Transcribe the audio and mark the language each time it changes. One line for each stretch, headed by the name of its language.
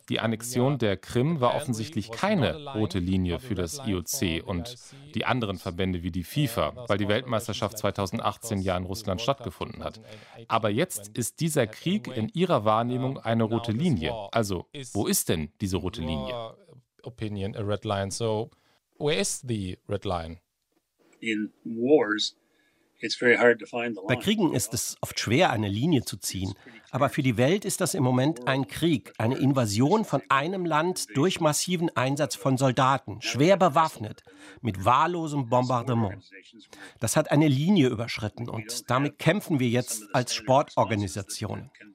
German: Die Annexion der Krim war offensichtlich keine rote Linie für das IOC und die anderen Verbände wie die FIFA, weil die Weltmeisterschaft 2018 ja in Russland stattgefunden hat. Aber jetzt ist dieser Krieg in Ihrer Wahrnehmung eine rote Linie. Also wo ist denn diese rote Linie?
English: Opinion, a red line. So where is the red line? In wars, it's very hard to find the line.
German: Bei Kriegen ist es oft schwer, eine Linie zu ziehen. Aber für die Welt ist das im Moment ein Krieg, eine Invasion von einem Land durch massiven Einsatz von Soldaten, schwer bewaffnet, mit wahllosem Bombardement. Das hat eine Linie überschritten und damit kämpfen wir jetzt als Sportorganisationen.